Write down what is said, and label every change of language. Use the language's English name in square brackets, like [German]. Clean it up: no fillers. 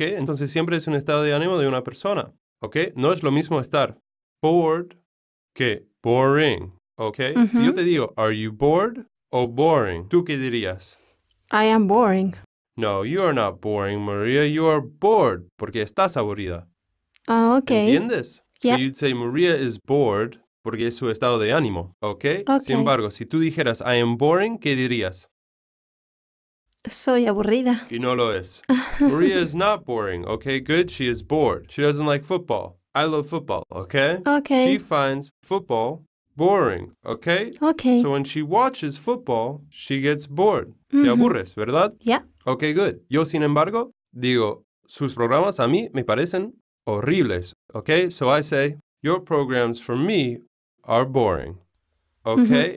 [Spanish] Entonces siempre es un estado de ánimo de una persona, ¿ok? No es lo mismo estar bored que boring, ¿ok? Si yo te digo, [English] are you bored [Spanish] o boring? ¿Tú qué dirías? [English] I am boring. No, you are not boring, Maria. You are bored [Spanish] porque estás aburrida. Ah, ok. ¿Entiendes? Yeah. [English] So you'd say Maria is bored [Spanish] porque es su estado de ánimo, [English] ¿ok? Okay. [Spanish] Sin embargo, si tú dijeras, [English] I am boring, [Spanish] ¿qué dirías? Soy aburrida. Y no lo es. [English] Maria is not boring, okay? Good, she is bored. She doesn't like football. I love football, okay? Okay. She finds football boring, okay? Okay. So when she watches football, she gets bored. [Spanish] Mm-hmm. Te aburres, ¿verdad? Yeah. [English] Okay, good. [Spanish] Yo, sin embargo, digo, sus programas a mí me parecen horribles, okay? [English] So I say, your programs for me are boring, okay?